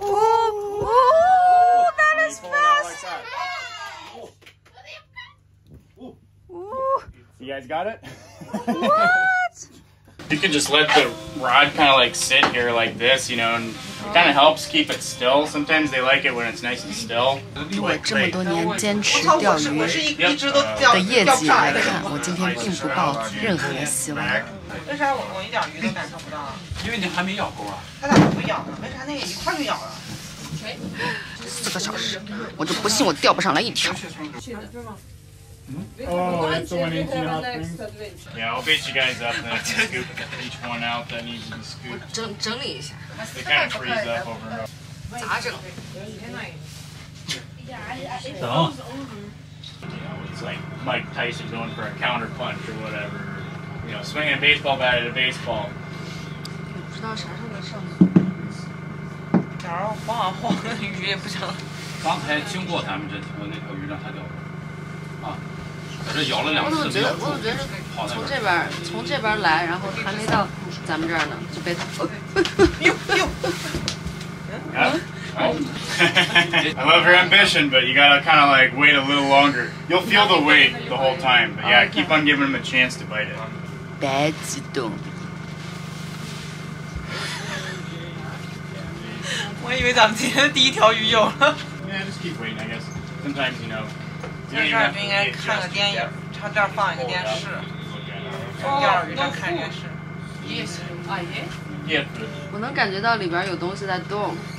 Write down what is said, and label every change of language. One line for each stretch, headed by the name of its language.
English: Ooh, ooh, that is fast! Like that. Ooh. You guys got it? What? You can just let the rod kind of like sit here like this, you know, and it kind of helps keep it still. Sometimes they like it when it's nice and still.
Chinese: 以我这么多年坚持钓鱼的业绩来看，我今天并不抱任何希望。为啥我一点鱼都感受不到？因为你还没咬够啊。他咋不咬呢？为啥那个一块就咬了？四个小时，我就不信我钓不上来一条。
English: Yeah, I'll bait you guys up and then scoop each one out that needs to be scooped.
Chinese: 整理一下。
English: They kind of freeze up over and over.
Chinese: 咋整？等。
English: You know, it's like Mike Tyson going for a counter punch or whatever. You know, swinging a baseball bat at a baseball.
Chinese: 不知道啥时候能上。假如晃啊晃，鱼也不行。刚才经过咱们这条，那条鱼让它钓了。啊，这咬了两次。我怎么觉得是从这边来，然后还没到咱们这儿呢，就被。
English: I love your ambition, but you gotta kind of like wait a little longer. You'll feel the weight the whole time, but yeah, keep on giving him a chance to bite it.
Chinese: 别激动。我以为咱们今天第一条鱼有了。
English: Yeah, just keep waiting. I guess sometimes you know.
Chinese: 在这儿就应该看个电影，他这儿放一个电视，从钓鱼上看电视。
English: Yes,
Chinese: 我能感觉到里边有东西在动。